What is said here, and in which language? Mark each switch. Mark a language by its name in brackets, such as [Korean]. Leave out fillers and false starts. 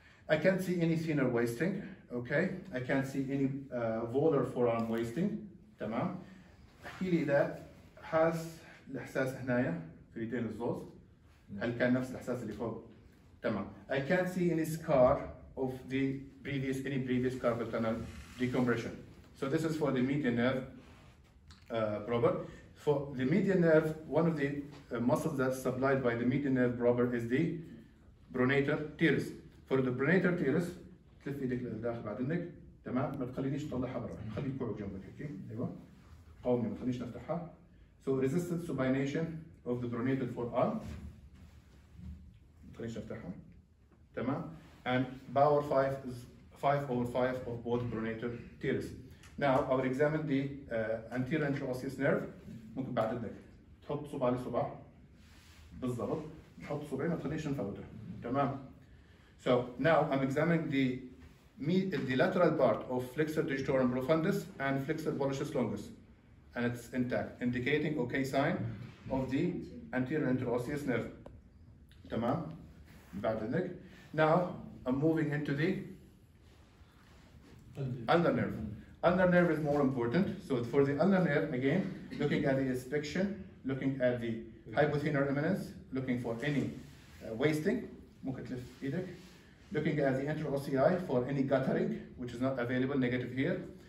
[English] I can't see any thinner wasting, okay? I can't see any volar forearm wasting. [Arabic] تمام. احكيلي إذا حاس الإحساس هنايا في يدين الزوز. هل كان نفس الإحساس اللي فوق؟ تمام. [English] I can't see any scar of the previous, any previous carpal tunnel decompression. So this is for the median nerve proper. For the median nerve, one of the muscles that's supplied by the median nerve proper is the pronator teres. For the pronator teres, [Arabic] تلف يدك لداخل بعد النك تمام. ما تخلينيش تطلعها برا. خلي كوعك جنبك هيك. أيوة. قومي ما تخلينيش نفتحها. [English] So resistant supination of the pronator forearm. [Arabic] ما تخلينيش نفتحها. تمام. [English] And power 5/5 of both pronator teres. Now I will examine the anterior intraosseous nerve. [Arabic] ممكن بعد الدك تحط صبع على صبع بالضبط تحط صبعين ما تخليش نفوته تمام. [English] So now I'm examining the the lateral part of flexor digitorum profundus and flexor pollicis longus, and it's intact, indicating okay sign of the anterior interosseous nerve. [Arabic] Tamam, بعد ذلك. [English] Now I'm moving into the ulnar nerve. Ulnar nerve is more important. So for the ulnar nerve, again, looking at the inspection, looking at the hypothenar eminence, looking for any wasting, looking at the interossei for any guttering, which is not available, negative here.